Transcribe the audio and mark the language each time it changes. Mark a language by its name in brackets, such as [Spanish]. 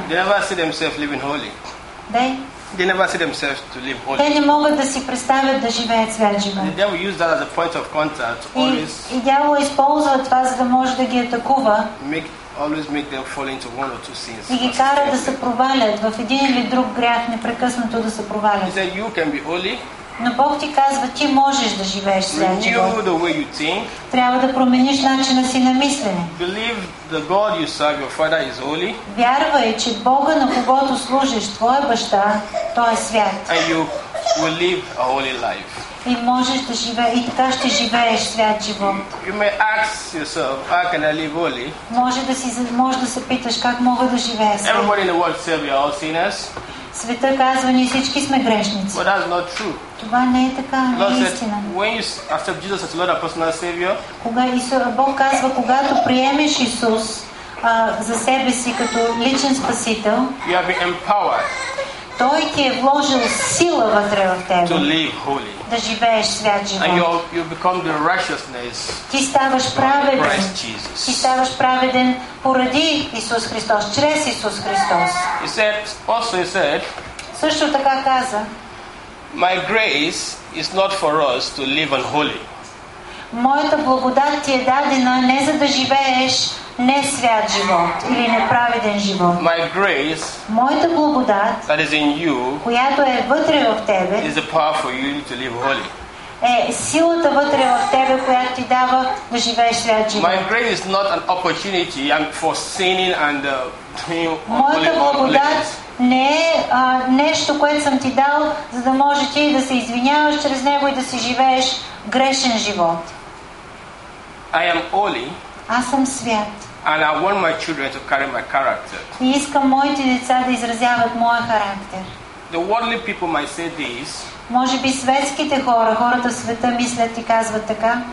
[English] They never see themselves living holy. They never see themselves to live holy. [Bulgarian] Те не могат да си представят да живеят свят живот. [English] The devil used that as a point of contact. [Bulgarian] И дявол използва това, за да може да ги атакува. [English] Always make them fall into one or two sins. [Bulgarian] И ги кара да се провалят в един или друг грях, непрекъснато да се провалят. [English] He said, you can be holy. [Bulgarian] Но Бог ти казва, ти можеш да живееш свят живот. Трябва да промениш начина си на мислене. [English] Believe the God you serve, your father is holy. [Bulgarian] Вярвай, че Бога, на когото служиш, твоя баща, той е свят. [English] And you will live a holy life. [Bulgarian] И можеш да живееш, и така ще живееш свят живот. [English] You may ask yourself, how can I live holy? [Bulgarian] Може да се питаш, как мога да живея свят. [English] Everybody in the world says we are all sinners. [Bulgarian] Света казва, ние всички сме грешници. [English] But that's not true. [Bulgarian] Това не е така, не е истина. [English] When you accept Jesus as Lord and personal Savior, [Bulgarian] кога Исус, Бог казва, когато приемеш Исус за себе си като личен спасител, [English] you have been empowered. [Bulgarian] Той ти е вложил сила вътре в тебе. [English] To live holy. [Bulgarian] Да живееш свят живот. [English] And you become the righteousness. [Bulgarian] Ти ставаш праведен. [English] Christ Jesus. [Bulgarian] Ти ставаш праведен поради Исус Христос, чрез Исус Христос. [English] He said, also he said, [Bulgarian] също така каза, [English] my grace is not for us to live unholy. [Bulgarian] Моята благодат ти е дадена не за да живееш не свят живот или неправеден живот. [English] My grace, [Bulgarian] моята благодат, [English] that is in you, [Bulgarian] която е вътре в тебе, [English] is the power for you to live holy. [Bulgarian] Е силата вътре в тебе, която ти дава да живееш свят живот. [English] My grace is not an opportunity for sinning and doing holy works. [Bulgarian] Не е нещо, което съм ти дал, за да може ти да се извиняваш чрез него и да си живееш грешен живот. [English] I am holy. [Bulgarian] Аз съм свят. [English] And I want my children to carry my character. [Bulgarian] И искам моите деца да изразяват моя характер. [English] The worldly people might say this. [Bulgarian] Може би светските хора, хората в света мислят и казват така.